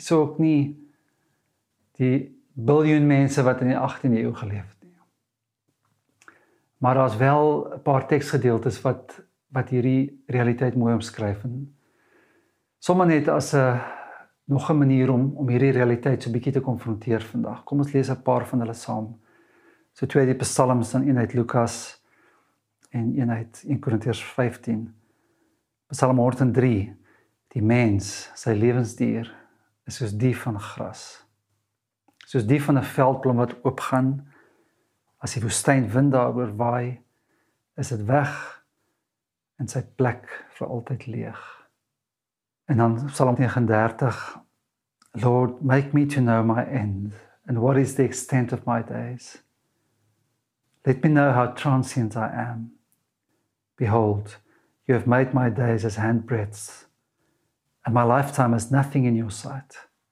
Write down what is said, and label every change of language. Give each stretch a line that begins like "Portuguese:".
Afrikaans: So ook nie die biljoen mense wat in die 18e eeu geleef het nie. Maar daar is wel 'n paar teksgedeeltes wat hierdie realiteit mooi omskryf. En sommer net as 'n nog 'n manier om hierdie realiteit so 'n bietjie te konfronteer vandag. Kom ons lees 'n paar van hulle saam. So twee die psalms, dan een uit Lukas en een uit 1 Korintiërs 15. Psalm 103, die mens, sy lewensdier, is soos die van gras. Soos die van 'n veldblom wat oopgaan, as die woestynwind daaroor waai, is dit weg en sy plek vir altyd leeg. En dan
English: Psalm 39, "Lord, make me to know my end, and what is the extent of my days. Let me know how transient I am. Behold, you have made my days as handbreadths, and my lifetime as nothing in your sight.